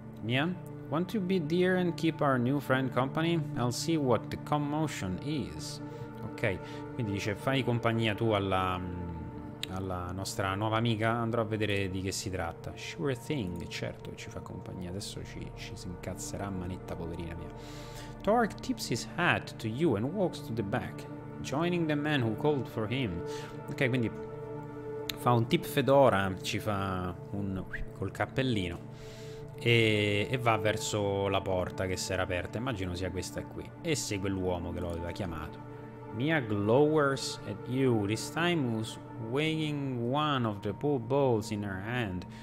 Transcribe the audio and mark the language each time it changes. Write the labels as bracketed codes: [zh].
[en] Mia, want to be dear and keep our new friend company? I'll see what the commotion is. [it] Ok, quindi dice, fai compagnia tu alla nostra nuova amica, andrò a vedere di che si tratta. [en] Sure thing, [it] certo che ci fa compagnia. Adesso ci si incazzerà a manetta, poverina mia. [en] Torque tips his hat to you and walks to the back, joining the man who called for him. [it] Ok, quindi fa un tip fedora, ci fa un col cappellino e va verso la porta che si era aperta. Immagino sia questa qui. E segue l'uomo che lo aveva chiamato. [en] Mia glowers at you, this time who's weighing one of the pool balls in her hand.